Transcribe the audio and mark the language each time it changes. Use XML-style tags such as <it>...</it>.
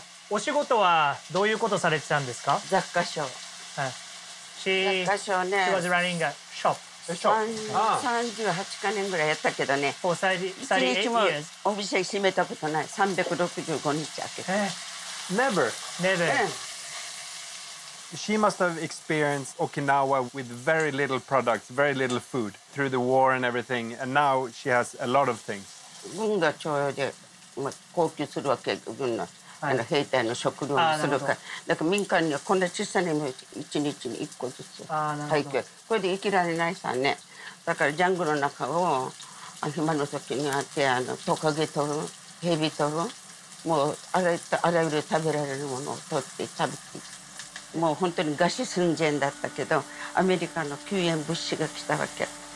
<ja>お仕事はどういうことされてたんですか？雑貨商。</ja> <en>She was running a shop.</en> <ja>Ah. 38カ年ぐらいやったけどね。お三日もお店閉めたことない。 365日開けた。</ja> <en>Never. Never. She must have experienced Okinawa with very little products, very little food through the war and everything, and now she has a lot of things.</en> <ja>軍が徴用で、まあ、高級するわけ軍の。あの兵隊の食料にするから、だから民間にはこんな小さなも一日に一個ずつ配給、これで生きられないさね。だからジャングルの中を暇の時にあってあのトカゲ取る、ヘビ取る、もうあらゆる食べられるものを取って食べて、もう本当に餓死寸前だったけど、アメリカの救援物資が来たわけ。</ja>